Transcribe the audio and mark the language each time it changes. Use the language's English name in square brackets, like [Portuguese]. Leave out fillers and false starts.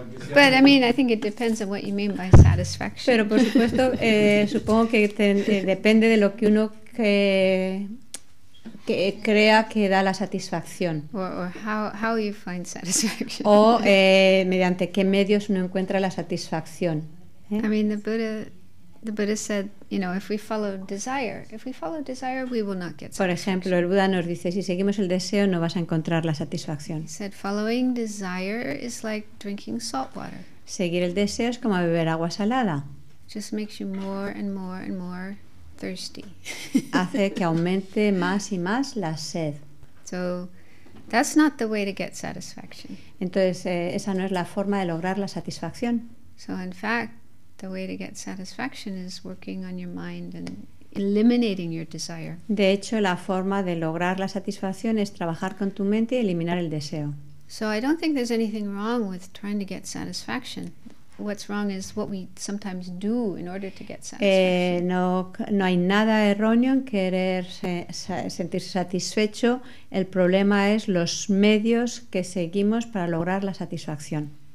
[English] But I mean, I think it depends on what you mean by satisfaction. [Spanish] Pero por supuesto, supongo que depende de lo que uno que crea que da la satisfacción. [English] Or how you find satisfaction. [Spanish] O mediante qué medios uno encuentra la satisfacción. [English] I mean, the Buddha said, you know, if we follow desire, we will not get satisfaction. [Spanish] Por ejemplo, el Buda nos dice, si seguimos el deseo, no vas a encontrar la satisfacción. [English] He said, following desire is like drinking salt water. [Spanish] Seguir el deseo es como beber agua salada. [English] Just makes you more and more and more thirsty. [Spanish] Hace que aumente más y más la sed. [English] So, that's not the way to get satisfaction. [Spanish] Entonces, esa no es la forma de lograr la satisfacción. [English] So, in fact, the way to get satisfaction is working on your mind and eliminating your desire. [Spanish] De hecho, la forma de lograr la satisfacción es trabajar con tu mente y eliminar el deseo. [English] So I don't think there's anything wrong with trying to get satisfaction. What's wrong is what we sometimes do in order to get satisfaction. [Spanish] No hay nada erróneo en querer sentirse satisfecho. El problema es los medios que seguimos para lograr la satisfacción.